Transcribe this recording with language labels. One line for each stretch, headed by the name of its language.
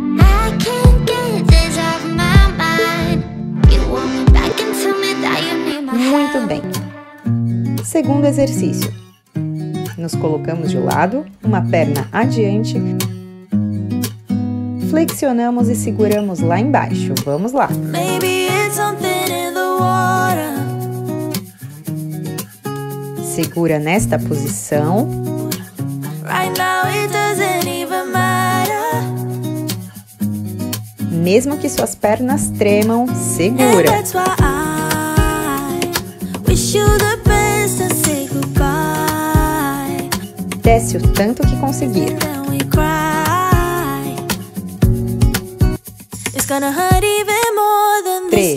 English: I can't get this off my mind. You want me back and tell me that you need my help.
Portuguese: Muito bem. Segundo exercício. Nos colocamos de lado, uma perna adiante. Flexionamos e seguramos lá embaixo. Vamos lá.
English: Maybe it's something in the water.
Portuguese: Segura nesta posição.
English: Right now it doesn't even matter.
Portuguese: Mesmo que suas pernas tremam, segura.
English: And that's why I wish you the best and say goodbye.
Portuguese: Desce o tanto que conseguir.
English: And then we cry. It's gonna hurt even more than this.